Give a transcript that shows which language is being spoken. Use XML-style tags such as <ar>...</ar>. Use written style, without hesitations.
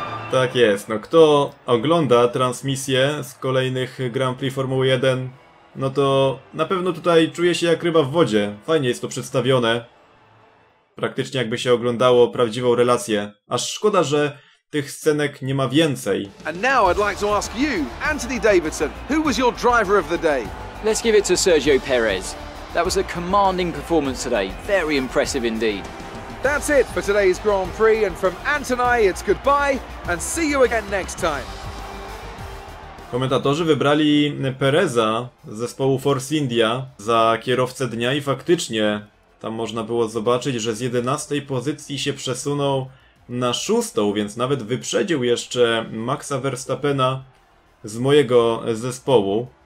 <pl>Tak jest, no kto ogląda transmisję z kolejnych Grand Prix Formuły 1, no to na pewno tutaj czuje się jak ryba w wodzie. Fajnie jest to przedstawione. Praktycznie jakby się oglądało prawdziwą relację. Aż szkoda, że tych scenek nie ma więcej.</pl> <en>And now I'd like to ask you, Anthony Davidson, who was your driver of the day? Let's give it to Sergio Perez. That was a commanding performance today. Very impressive indeed. That's it for today's Grand Prix and from Antoni it's goodbye and see you again next time.</en> <pl>Komentatorzy wybrali Pereza z zespołu Force India za kierowcę dnia i faktycznie tam można było zobaczyć, że z 11 pozycji się przesunął na 6, więc nawet wyprzedził jeszcze Maxa Verstappena z mojego zespołu.</pl>